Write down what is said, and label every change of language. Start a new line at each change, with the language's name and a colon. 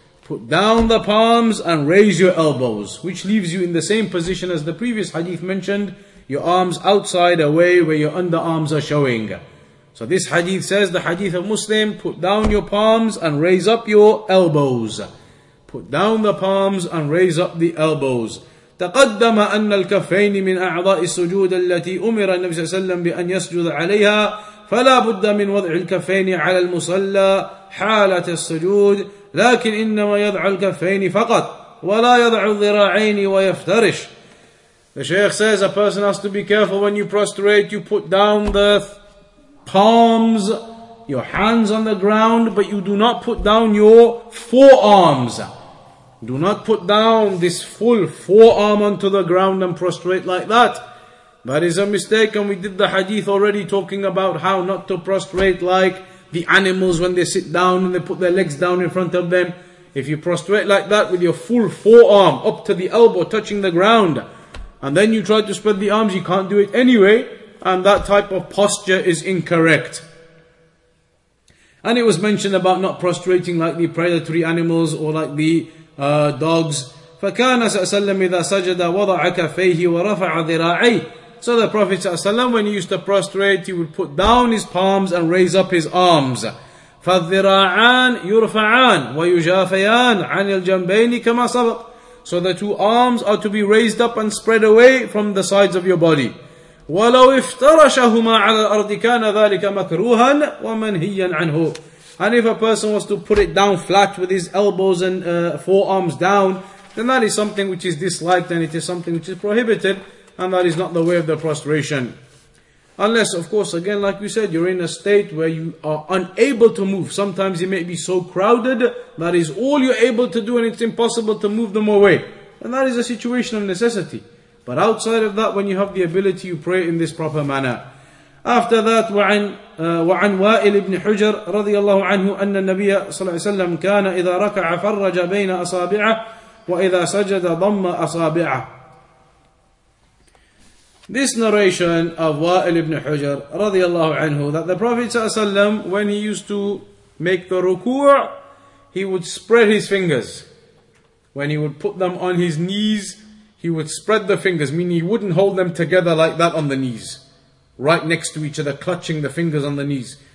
English: Put down the palms and raise your elbows, which leaves you in the same position as the previous hadith mentioned, your arms outside away where your underarms are showing. So this hadith says, the hadith of Muslim, put down your palms and raise up your elbows. Put down the palms and raise up the elbows.
Arabic: تقدم أن الكفين من أعضاء السجود التي أمر النبي صلى الله عليه وسلم بأن يسجد عليها فلا بد من وضع الكفين على المصلى حالة السجود لكن إنما يضع الكفين فقط ولا يضع الذراعين ويفترش.
English: The Shaykh says a person has to be careful when you prostrate, you put down the palms, your hands on the ground, but you do not put down your forearms. Do not put down this full forearm onto the ground and prostrate like that. That is a mistake, and we did the hadith already talking about how not to prostrate like the animals when they sit down and they put their legs down in front of them. If you prostrate like that with your full forearm up to the elbow touching the ground, and then you try to spread the arms, you can't do it anyway, and that type of posture is incorrect. And it was mentioned about not prostrating like the predatory animals or like the dogs.
Arabic: فَكَانَ سَأَسَلَّمْ إِذَا سَجَدَ وَضَعَ كَفَيْهِ وَرَفَعَ ذِرَاعَيْهِ.
English: So the Prophet ﷺ, when he used to prostrate, he would put down his palms and raise up his arms.
Arabic: فالذراعان يرفعان ويجافيان عن الجنبين كما سبق.
English: So the two arms are to be raised up and spread away from the sides of your body.
Arabic: ولو افترشهما على الأرض كان ذلك مكروها ومنهيا عنه.
English: And if a person was to put it down flat with his elbows and forearms down, then that is something which is disliked and it is something which is prohibited, and that is not the way of the prostration. Unless, of course, again, like you said, you're in a state where you are unable to move. Sometimes it may be so crowded, that is all you're able to do and it's impossible to move them away. And that is a situation of necessity. But outside of that, when you have the ability, you pray in this proper manner. After that,
Arabic: وعن وائل بن حجر رضي الله عنه أن النبي صلى الله عليه وسلم كان إذا ركع فرج بين أصابعه وإذا سجد ضم أصابعه.
English: This narration of Wa'il ibn Hujr radiyallahu anhu, that the Prophet ﷺ, when he used to make the ruku', he would spread his fingers. When he would put them on his knees, he would spread the fingers, meaning he wouldn't hold them together like that on the knees, right next to each other, clutching the fingers on the knees.